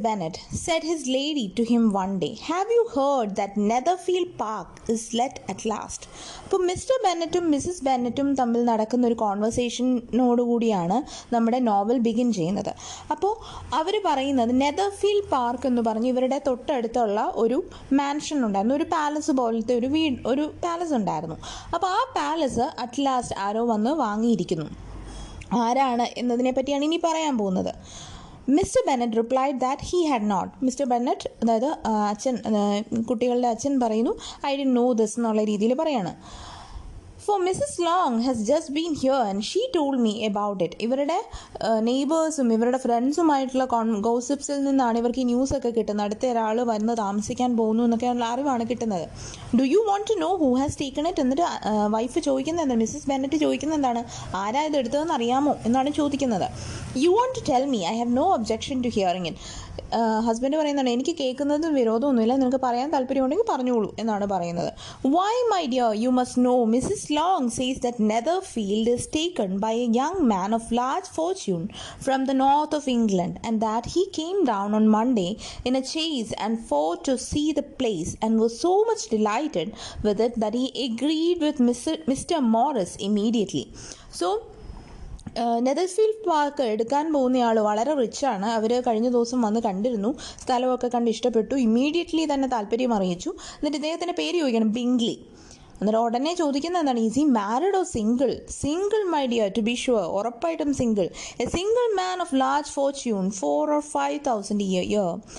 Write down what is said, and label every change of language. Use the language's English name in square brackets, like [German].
[English] Bennett, said his lady to him one day, have you heard that Netherfield Park is let at last? [Malayalam] അപ്പോൾ mister ബെന്നറ്റും Mrs ബെന്നറ്റും തമ്മിൽ നടക്കുന്ന ഒരു കോൺവെർസേഷനോടുകൂടിയാണ് നമ്മുടെ novel begin ചെയ്യുന്നത്. അപ്പോൾ അവർ പറയുന്നത് നെതർഫീൽഡ് പാർക്ക് എന്ന് പറഞ്ഞ് ഇവരുടെ തൊട്ടടുത്തുള്ള ഒരു മാൻഷൻ ഉണ്ടായിരുന്നു, ഒരു പാലസ് പോലത്തെ ഒരു വീട് ഒരു പാലസ് ഉണ്ടായിരുന്നു. അപ്പോൾ ആ പാലസ് അറ്റ് ലാസ്റ്റ് ആരോ വന്ന് വാങ്ങിയിരിക്കുന്നു, ആരാണ് എന്നതിനെ പറ്റിയാണ് ഇനി പറയാൻ പോകുന്നത്. Mr. [English] Bennett replied that he had not. [Malayalam] Mr. Bennett, അതായത് അച്ഛൻ, കുട്ടികളുടെ അച്ഛൻ പറയുന്നു, [English] I didn't know this [Malayalam] എന്നുള്ള രീതിയിൽ പറയാണ്. [English] For Mrs Long has just been here and she told me about it. [Malayalam] ഇവരുടെ നെയ്ബേഴ്സും ഇവരുടെ ഫ്രണ്ട്സുമായിട്ടുള്ള ഗോസിപ്സിൽ നിന്നാണ് ഇവർക്ക് ഈ ന്യൂസൊക്കെ കിട്ടുന്നത്. അടുത്ത ഒരാൾ വന്ന് താമസിക്കാൻ പോകുന്നു എന്നൊക്കെയുള്ള അറിവാണ് കിട്ടുന്നത്. [English] do you want to know who has taken it [Malayalam] എന്നിട്ട് വൈഫ് ചോദിക്കുന്നത് എന്താണ്, മിസ്സസ് ബെന്നറ്റ് ചോദിക്കുന്നത് എന്താണ്, ആരാ ഇത് എടുത്തതെന്ന് അറിയാമോ എന്നാണ് ചോദിക്കുന്നത്. [English] You want to tell me, I have no objection to hearing it. [Malayalam] Husband പറയുന്നുണ്ട് എനിക്ക് കേൾക്കുന്നത് വിരോധമൊന്നുമില്ല, നിനക്ക് പറയാൻ താല്പര്യമുണ്ടെങ്കിൽ പറഞ്ഞോളൂ എന്നാണ് പറയുന്നത്. [English] Why my dear you must know Mrs Long says that Netherfield is taken by a young man of large fortune from the north of England and that he came down on Monday in a chaise and fought to see the place and was so much delighted with it that he agreed with Mr. Morris immediately. So [Malayalam] നെതർഫീൽഡ് park എടുക്കാൻ പോകുന്നയാൾ വളരെ റിച്ചാണ്. അവർ കഴിഞ്ഞ ദിവസം വന്ന് കണ്ടിരുന്നു, സ്ഥലമൊക്കെ കണ്ട് ഇഷ്ടപ്പെട്ടു, immediately തന്നെ താല്പര്യം അറിയിച്ചു. എന്നിട്ട് ഇദ്ദേഹത്തിൻ്റെ പേര് ചോദിക്കണം, ബിങ്ക്ലി. എന്നിട്ട് ഉടനെ ചോദിക്കുന്നത് എന്താണ്, [English] Is he married or single? Single my dear, to be sure, ഉറപ്പായിട്ടും single. A single man of large fortune, 4 or 5,000 year.